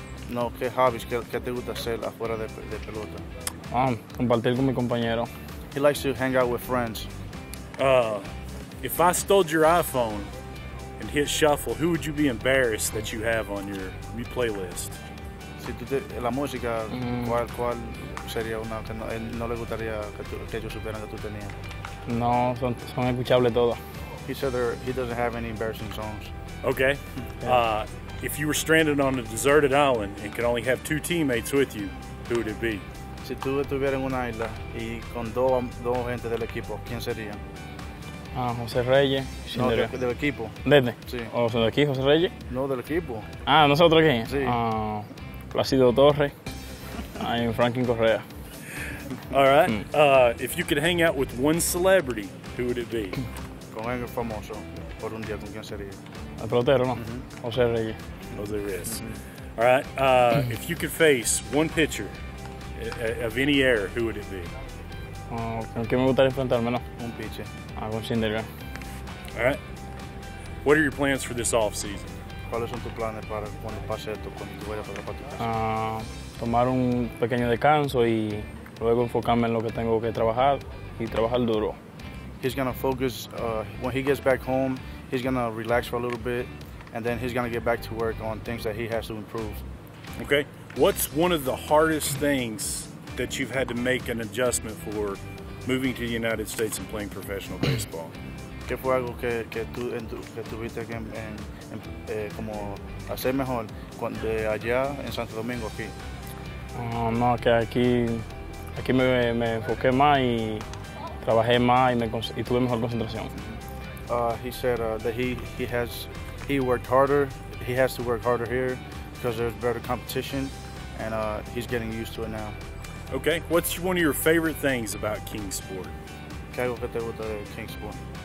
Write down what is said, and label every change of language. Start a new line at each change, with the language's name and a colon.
Spanish: No, ¿qué hobbies? ¿Qué te gusta hacer afuera de pelota? Compartir con mi compañero.
English: He likes to hang out with friends. If I stole your iPhone and hit shuffle, who would you be embarrassed that you have on your playlist?
Spanish: Si tú te la música, ¿cuál sería una que no le gustaría que yo supiera que tú tenías? No, son escuchables todas.
English: He said he doesn't have any embarrassing songs. Okay. Yeah. If you were stranded on a deserted island and could only have two teammates with you, who would it be?
Spanish: Si tú estuvieras en una isla y con dos gente del equipo, ¿quién sería? José Reyes. No, del equipo. ¿Dende? Sí. ¿O son de aquí, José Reyes? No, del equipo. ¿Nosotros quién? Sí. Plácido Torres. Y Franklin Correa.
English: All right. If you could hang out with one celebrity, who would it be?
Spanish: Con alguien famoso. Por un día, ¿con quién sería? El pelotero, ¿no? Mm-hmm. José Reyes.
English: José Reyes. Mm-hmm. All right. If you could face one pitcher of any era, who would it be?
Spanish: ¿Con quién me gustaría enfrentarme, no? Un pitcher. Con Cinderella.
English: All right. What are your plans for this offseason?
Spanish: ¿Cuáles son tus planes para cuando pase esto, cuando tú vayas para tu casa? Tomar un pequeño descanso y luego enfocarme en lo que tengo que trabajar y trabajar duro.
English: He's going to focus, when he gets back home, he's going to relax for a little bit, and then he's going to get back to work on things that he has to improve. Okay. What's one of the hardest things that you've had to make an adjustment for moving to the United States and playing professional baseball?
Spanish: ¿Qué fue algo que tuviste que como hacer mejor de allá en Santo Domingo aquí? No, que aquí me enfoqué más y trabajé más y tuve mejor concentración.
English: He said that he worked harder. He has to work harder here because there's better competition, and he's getting used to it now. Okay, what's one of your favorite things about Kingsport?
Spanish: ¿Qué es lo que te gusta de Kingsport?